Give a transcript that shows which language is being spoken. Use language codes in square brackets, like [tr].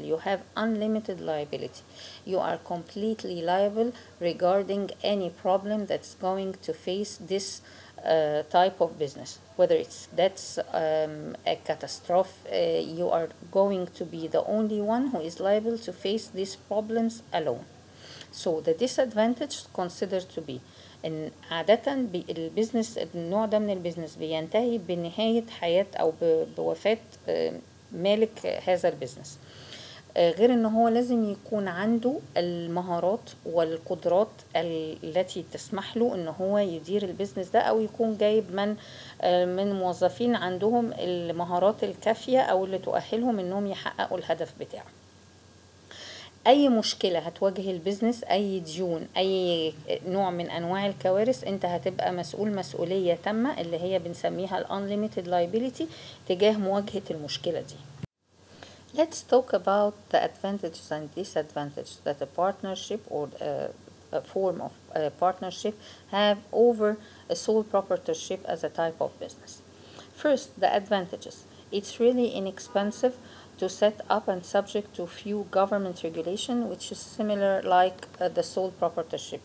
[en] You have unlimited liability. You are completely liable regarding any problem that's going to face this type of business, whether it's debts, a catastrophe. You are going to be the only one who is liable to face these problems alone. So the disadvantage considered to be, [ar] ان عادة البيزنس النوع ده من البيزنس بينتهي بنهاية حياة او بوفاة مالك هذا البيزنس. غير ان هو لازم يكون عنده المهارات والقدرات التي تسمح له ان هو يدير البيزنس ده، او يكون جايب من موظفين عندهم المهارات الكافية او اللي تؤهلهم انهم يحققوا الهدف بتاعه. اي مشكلة هتواجه البيزنس، اي ديون، اي نوع من انواع الكوارث، انت هتبقى مسؤول مسؤولية تامة اللي هي بنسميها unlimited liability تجاه مواجهة المشكلة دي. [en] Let's talk about the advantages and disadvantages that a partnership or a form of a partnership have over a sole proprietorship as a type of business. First, the advantages. It's really inexpensive to set up and subject to few government regulation, which is similar like the sole proprietorship.